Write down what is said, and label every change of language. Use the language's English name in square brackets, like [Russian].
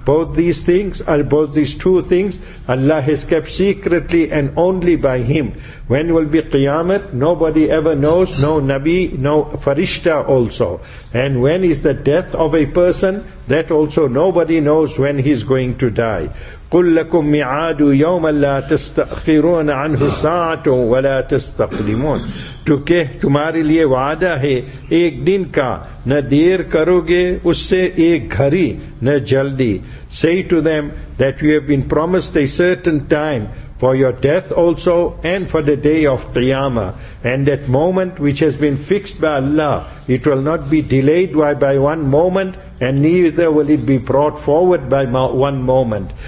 [English] Both these two things, Allah has kept secretly and only by him. When will will be Qiyamah, nobody ever knows, no Nabi, no Farishta also. And when is the death of a person, that also nobody knows when he's going to die. [Arabic] قُلْ لَكُمْ مِعَادُ يَوْمًا لَا تَسْتَأْخِرُونَ عَنْهُ سَاعَةٌ وَلَا تَسْتَقْدِمُونَ [Urdu] تو کہ تمہارے لئے وعدہ ہے ایک دن کا, نہ دیر کرو گے اس سے ایک گھری نہ جلدی. [English] Say to them that you have been promised a certain time for your death also and for the day of Qiyamah. And that moment which has been fixed by Allah, it will not be delayed by one moment and neither will it be brought forward by one moment.